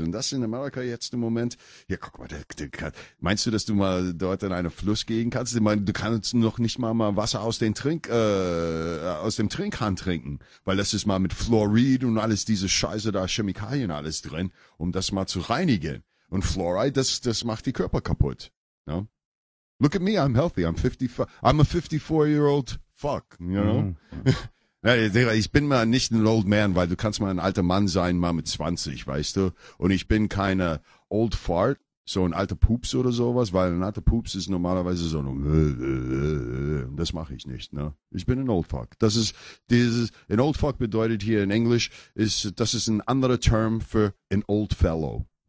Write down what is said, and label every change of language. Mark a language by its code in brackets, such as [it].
[de] Und das in Amerika jetzt im Moment, ja, guck mal, meinst du, dass du mal dort in einen Fluss gehen kannst? Ich meine, du kannst noch nicht mal Wasser aus dem Trinkhahn trinken, weil das ist mal mit Fluorid und alles diese Scheiße da, Chemikalien alles drin, um das mal zu reinigen. Und Fluoride, das macht die Körper kaputt, ne? [en] Look at me, I'm healthy, I'm 55, I'm a 54-year-old fuck, you know? [de] Ich bin mal nicht ein [en] old man, [de] weil du kannst mal ein alter Mann sein, mal mit 20, weißt du? Und ich bin keine [en] old fart, [de] so ein alter Pups oder sowas, weil ein alter Pups ist normalerweise so ein, das mache ich nicht, ne? Ich bin ein [en] old fuck. [de] Das ist, ein [en] old fuck [de] bedeutet hier in Englisch, das ist ein anderer Term für ein [en] old fellow.